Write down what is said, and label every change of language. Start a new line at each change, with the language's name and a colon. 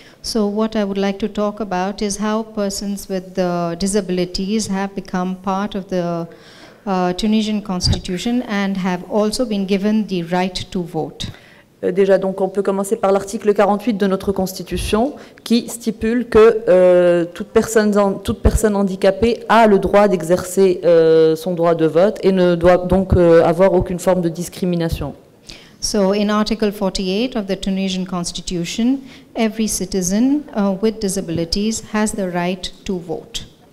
English: So what I would like to talk about is how persons with disabilities have become part of the Tunisian constitution and have also been given the right to vote.
French: Déjà, donc, on peut commencer par l'article 48 de notre Constitution qui stipule que toute personne handicapée a le droit d'exercer son droit de vote et ne doit donc avoir aucune forme de discrimination.
English: So, in article 48 of the Tunisian Constitution, every citizen with disabilities has the right to vote.